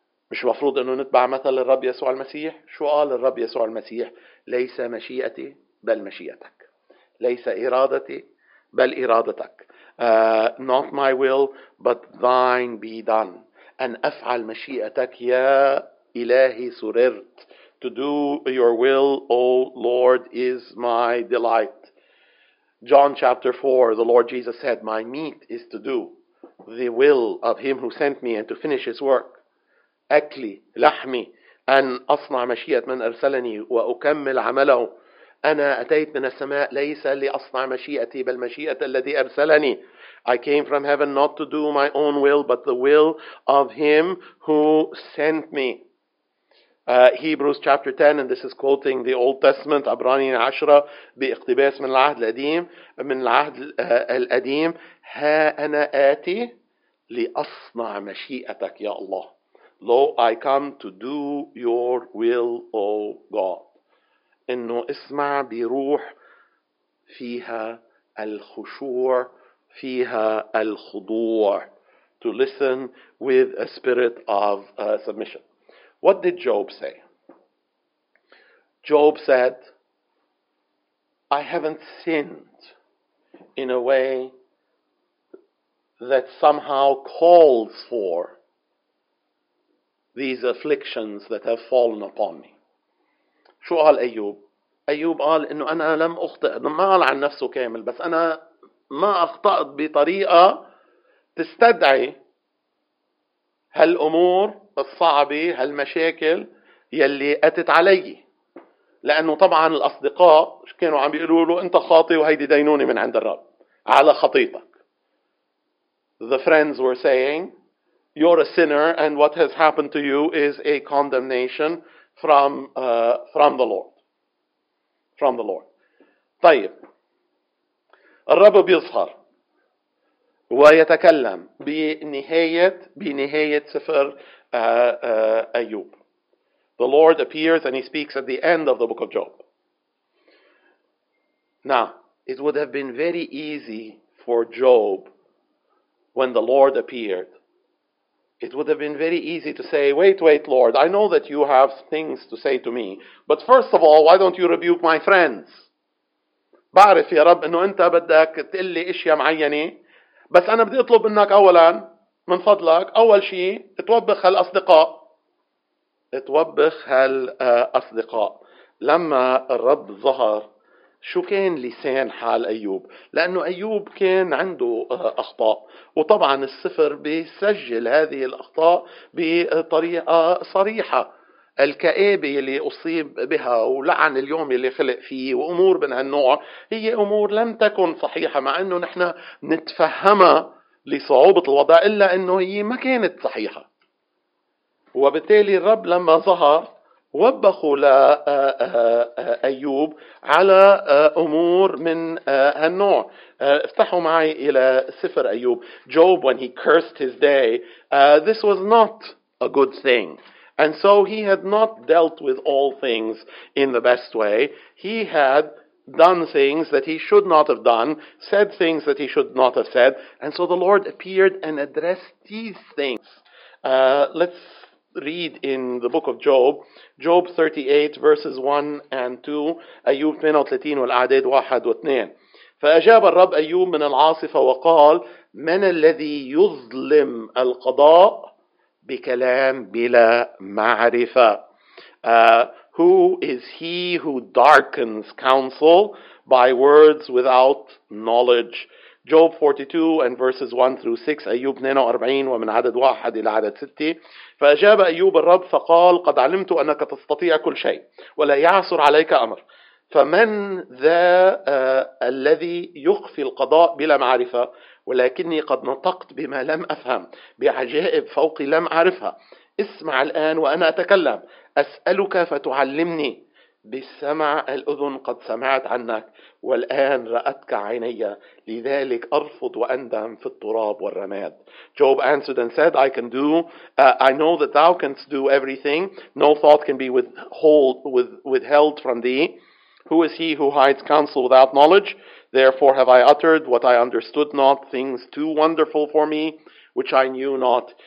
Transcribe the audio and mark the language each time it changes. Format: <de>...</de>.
<ar>مش مفروض أنه نتبع مثل الرب يسوع المسيح؟ شو قال الرب يسوع المسيح؟ ليس مشيئتي بل مشيئتك. ليس إرادتي بل إرادتك.</ar> <en>Not my will but thine be done.</en> <ar>أن أفعل مشيئتك يا إلهي سررت.</ar> <en>To do your will, O Lord, is my delight. John chapter 4, the Lord Jesus said, My meat is to do the will of him who sent me and to finish his work.</en> <ar>أكلي لحمي أن أصنع مشيئة من أرسلني وأكمل عمله. أنا أتيت من السماء ليس لأصنع مشيئتي بل مشيئة الذي أرسلني.</ar> <en>I came from heaven not to do my own will but the will of him who sent me. Hebrews chapter 10, and this is quoting the Old Testament, Abraham 10,</en> <ar>باقتباس من العهد القديم، من العهد القديم، ها أنا آتي لأصنع مشيئتك يا الله.</ar> <en>Lo, I come to do your will, O God.</en> <ar>إنه اسمع بروح فيها الخشوع، فيها الخضوع.</ar> <en>To listen with a spirit of submission. What did Job say? Job said, I haven't sinned in a way that somehow calls for these afflictions that have fallen upon me.</en> <ar>شو قال أيوب؟ أيوب قال إنه أنا لم أخطئ، ما قال عن نفسه كامل، بس أنا ما أخطأت بطريقة تستدعي هالأمور الصعبة، هالمشاكل يلي أتت علي. لأنه طبعا الأصدقاء كانوا عم بيقولوا له أنت خاطئ وهيدي دينونة من عند الرب على خطيتك.</ar> <en>The friends were saying, You're a sinner and what has happened to you is a condemnation from the Lord. From the Lord.</en> <ar>طيب الرب بيظهر ويتكلم بنهاية سفر أيوب.</ar> <en>The Lord appears and he speaks at the end of the book of Job. Now, it would have been very easy for Job when the Lord appeared. It would have been very easy to say, Wait, wait, Lord, I know that you have things to say to me. But first of all, why don't you rebuke my friends?</en> <ar>بعرف يا رب أنه أنت بدك تقلي إشياء معينة. بس أنا بدي أطلب منك أولا من فضلك أول شيء توبخ هالأصدقاء توبخ هالأصدقاء. لما الرب ظهر شو كان لسان حال أيوب؟ لأنه أيوب كان عنده أخطاء، وطبعا السفر بيسجل هذه الأخطاء بطريقة صريحة. الكآبة اللي أصيب بها ولعن اليوم اللي خلق فيه وأمور من هالنوع، هي أمور لم تكن صحيحة مع أنه نحن نتفهمها لصعوبة الوضع، إلا أنه هي ما كانت صحيحة. وبالتالي الرب لما ظهر وبخوا لأيوب على أمور من هالنوع. افتحوا معي إلى سفر أيوب.</ar> <en>Job when he cursed his day, this was not a good thing. And so he had not dealt with all things in the best way. He had done things that he should not have done, said things that he should not have said. And so the Lord appeared and addressed these things. Let's read in the book of Job, Job 38, verses 1 and 2, Ayub 38</en> <ar>والأعداد 1 و 2. فأجاب الرب أيوب من العاصفة وقال من الذي يظلم القضاء بكلام بلا معرفة.</ar> <en>Who is he who darkens counsel by words without knowledge? Job 42 and verses 1 through 6,</en> <ar>أيوب 42 ومن عدد 1 إلى عدد 6. فأجاب أيوب الرب فقال قد علمت أنك تستطيع كل شيء ولا يعسر عليك أمر، فمن ذا الذي يخفي القضاء بلا معرفة؟ ولكني قد نطقت بما لم أفهم، بعجائب فوقي لم أعرفها. اسمع الآن وأنا أتكلم، أسألك فتعلمني. بالسمع الأذن قد سمعت عنك، والآن رأتك عيني، لذلك أرفض وأندم في التراب والرماد.</ar> <en>Job answered and said, I know that thou canst do everything. No thought can be withheld from thee. Who is he who hides counsel without knowledge? Therefore have I uttered what I understood not, things too wonderful for me, which I knew not.</en>